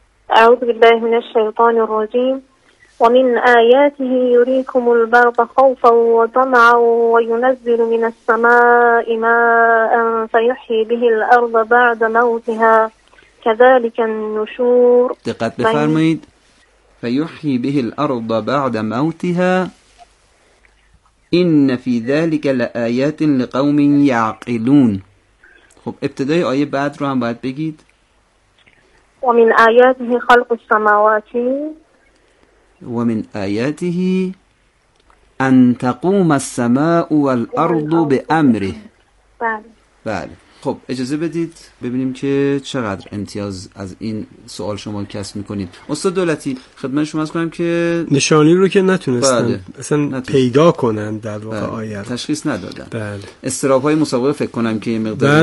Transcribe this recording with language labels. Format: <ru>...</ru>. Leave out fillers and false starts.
<ar>أعوذ بالله من الشيطان الرجيم. ومن آياته يريكم البرق خوفا وطمعا وينزل من السماء ماء فيحيي به الأرض بعد موتها كذلك النشور.</ar> <fa>دقت بفرمايد.</fa> <ar>فيحيي به الأرض بعد موتها إن في ذلك لآيات لقوم يعقلون.</ar> <fa>خب ابتدائي آية بعد رو هم باید بگید.</fa> <ar>ومن آياته خلق السماوات ومن آياته أن تقوم السماء والأرض بأمره.</ar> <fa>بله. خب اجازه بدید ببینیم که چقدر امتیاز از این سوال شما کسب میکنید. استاد دولتی خدمت شما عرض کنم که نشانی رو که نتونستن پیدا کنن در واقع. بله. آیه تشخیص ندادن. بله. استراب های مسابقه فکر کنم که یه مقدار.</fa>